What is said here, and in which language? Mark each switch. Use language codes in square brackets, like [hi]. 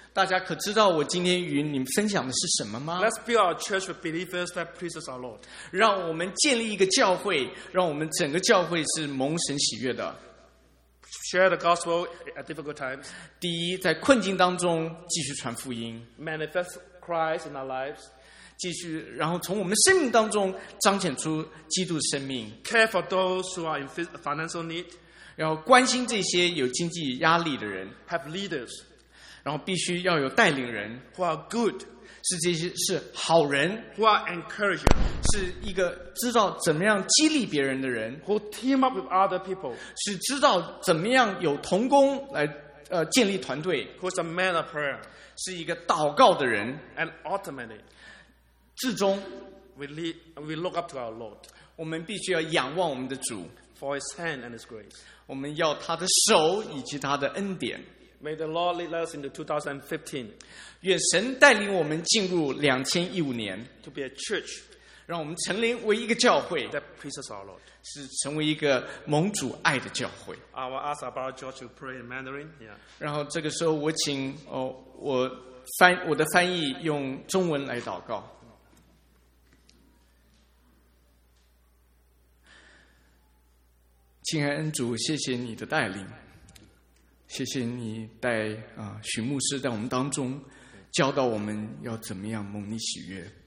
[zh] 大家可知道我今天与你们分享的是什么吗 [en] ？Let's build our church with believers that pleases our Lord。 [zh] 让我们建立一个教会，让我们整个教会是蒙神喜悦的。 [en] Share the gospel at difficult times。 [zh] 第一，在困境当中继续传福音。 [en] Manifest Christ in our lives。 [zh] 继续，然后从我们生命当中彰显出基督的生命。 [en] Care for those who are in financial need， [zh] 然后关心这些有经济压力的人。 [en] Have leaders， [zh] 然后必须要有带领人。 [en] Who are good， [zh] 是这些是好人。 [en] Who are encouraging， [zh] 是一个知道怎么样激励别人的人。 [en] Who team up with other people， [zh] 是知道怎么样有同工来建立团队。 [en] Who's a man of prayer， [zh] 是一个祷告的人。 [en] And ultimately。 [zh] 至终 [en] we look up to our Lord. [zh] 我们必须要仰望我们的主 [en] for His hand and His grace. [zh] 我们要他的手以及他的恩典 [en] May the Lord lead us into 2015. [zh] 愿神带领我们进入2015年 [en] to be a church. [zh] 让我们成为一个教会 [en] that pleases our Lord. [zh] 是成为一个蒙主爱的教会 [en] I will ask our brother George to pray in Mandarin. Yeah. [zh] 然后这个时候我请我的翻译用中文来祷告亲爱恩主，谢谢你的带领，谢谢你带许牧师在我们当中教导我们要怎么样蒙你喜悦。